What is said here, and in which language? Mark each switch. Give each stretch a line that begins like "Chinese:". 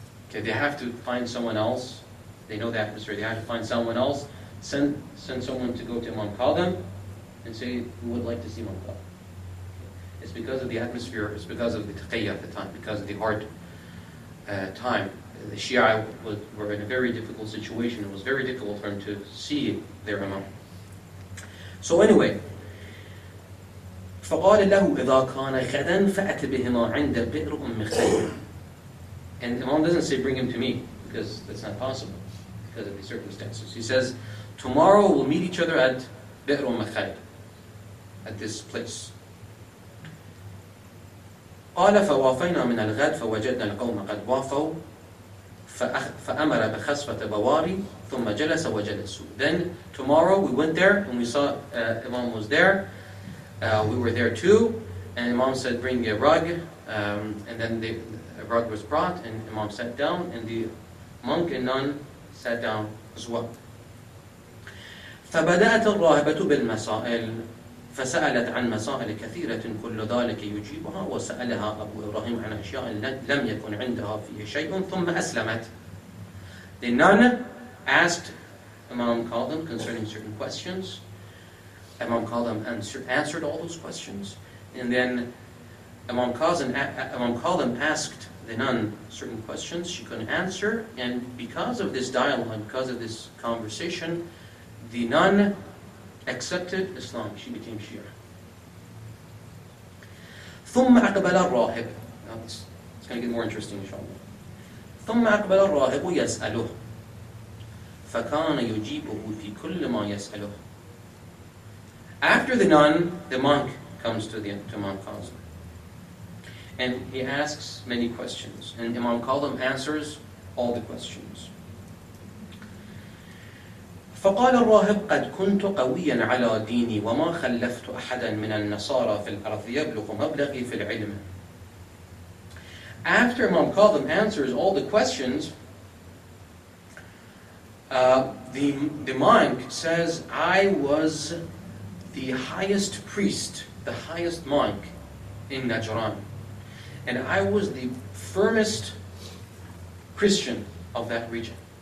English: Okay, they have to find someone else. They know the atmosphere, they have to find someone else, send someone to go to Imam Qasim and say, we would like to see Imam Qasim. It's because of the atmosphere, it's because of the taqiyah at the time, because of the hard time. The Shia were in a very difficult situation. It was very difficult for them to see their imam. So anyway,
Arabic: فَقَالَ لَهُ إِذَا كَانَ غَدًا فَأَتِ بِهِمَا عِنْدَ بِئْرُ أُمِّ خَيْرٍ.
English: And the imam doesn't say bring him to me, because that's not possible because of the circumstances. He says, tomorrow we'll meet each other at بِئْرُ أُمِّ خَيْرٍ, at this place.
Arabic: قَالَ فَوَافَيْنَا مِنَ الْغَدْ فَوَجَدْنَا الْقَوْمَ قَدْ وَافَوْا فأمر بخصفة بواري ثم جلس وجلسوا.
English: Then tomorrow we went there and we saw Imam was there. We were there too, and Imam said, "Bring a rug." And then a rug was brought, and Imam sat down, and the monk and nun sat down as well.
Arabic: فبدأت الراهبة بالمسائل فسألت عن مسائل كثيرة كل ذلك يجيبها وسألها أبو إبراهيم عن أشياء لم يكن عندها فيه شيء ثم أسلمت.
English: The nun asked Imam Qasim concerning certain questions. Imam Qasim answered all those questions. And then Imam Qasim asked the nun certain questions she couldn't answer. And because of this dialogue, because of this conversation, the nun accepted Islam. She became Shia.
Arabic: ثم أقبل الراهب.
English: Now it's going to get more interesting, inshallah.
Arabic: ثم أقبل الراهب يسأله. فكان يجيبه في كل ما يسأله.
English: After the nun, the monk comes to Imam Qasim, and he asks many questions, and Imam Qasim answers all the questions.
Arabic: فقال الراهب قد كنت قويا على ديني وما خلفت أحدا من النصارى في الأرض يبلغ مبلغي في العلم.
English: After Imam Qasim answers all the questions, the monk says, I was the highest priest, the highest monk in Najran, and I was the firmest Christian of that region.